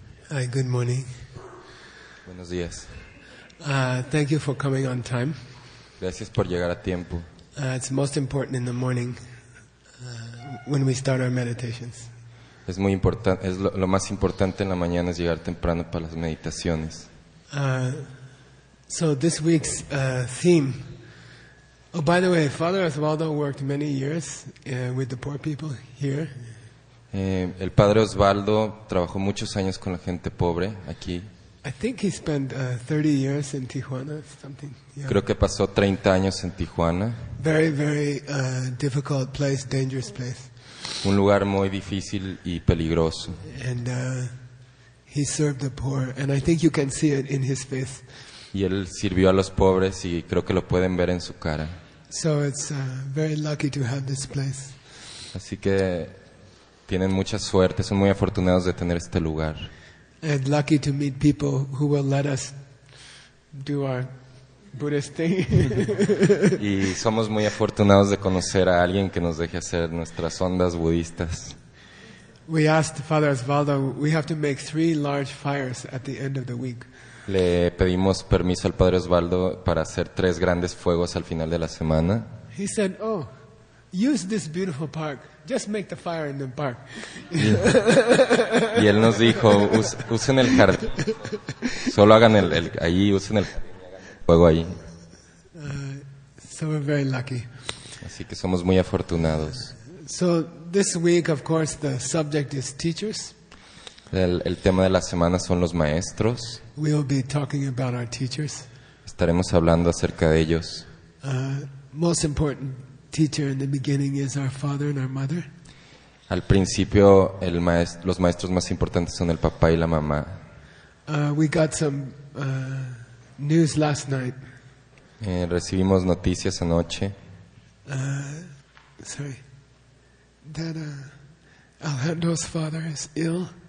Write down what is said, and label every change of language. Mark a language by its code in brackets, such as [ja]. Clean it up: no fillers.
[en] Hi, good morning. [es] Buenos días. [en] Thank you for coming on time. [es] Gracias por llegar a tiempo. [en] It's most important in the morning when we start our meditations. [es] Es muy importante, es lo más importante en la mañana es llegar temprano para las meditaciones. [en] So this week's theme. Oh, by the way, Father Osvaldo worked many years with the poor people here. [es] El Padre Osvaldo trabajó muchos años con la gente pobre aquí. [en] I think he spent 30 years in Tijuana, something. [es] Yeah. Creo que pasó 30 años en Tijuana. [en] Very, very difficult place, dangerous place. [es] Un lugar muy difícil y peligroso. [en] And he served the poor, and I think you can see it in his face. [es] Y él sirvió a los pobres y creo que lo pueden ver en su cara. [en] So it's very lucky to have this place. [es] Así que tienen mucha suerte, son muy afortunados de tener este lugar. [en] And lucky to meet people who will let us do our Buddhist thing. [es] Y somos muy afortunados de conocer a alguien que nos deje hacer nuestras ondas budistas. [en] We asked Father Osvaldo, we have to make 3 large fires at the end of the week. [es] Le pedimos permiso al Padre Osvaldo para hacer 3 grandes fuegos al final de la semana. [en] He said, oh, use this beautiful park. Just make the fire in the park. [es] Y él nos dijo, usen el jardín. Solo hagan el ahí, usen el fuego ahí. [en] So we're very lucky. [es] Así que somos muy afortunados. [en] So this week, of course, the subject is teachers. [es] El tema de la semana son los maestros. [en] We'll be talking about our teachers. [es] Estaremos hablando acerca de ellos. [en] Most important teacher in the beginning is our father and our mother. [es] Al principio, los maestros más importantes son el papá y la mamá. [en] We got some news last night. [es] Recibimos noticias anoche. [en] Sorry. That Alejandro's father is ill.